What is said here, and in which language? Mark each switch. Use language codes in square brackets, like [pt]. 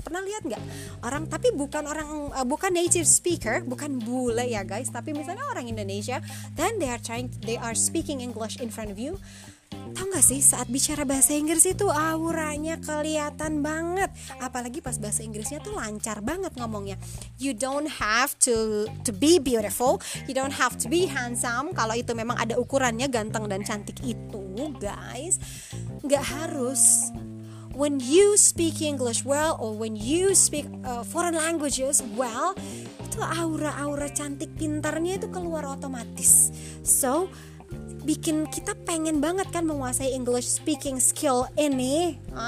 [id] Pernah lihat gak? Orang, tapi bukan orang, bukan native speaker, bukan bule ya guys, tapi misalnya orang Indonesia, [en] then they are speaking English in front of you. [id] Tau gak sih, saat bicara bahasa Inggris itu auranya kelihatan banget. Apalagi pas bahasa Inggrisnya tuh lancar banget ngomongnya. [en] You don't have to be beautiful, you don't have to be handsome. [id] Kalau itu memang ada ukurannya, ganteng dan cantik itu, guys, gak harus. [en] When you speak English well, or when you speak foreign languages well, [id] itu aura-aura cantik pintarnya itu keluar otomatis. So, bikin kita pengen banget kan menguasai English speaking skill ini.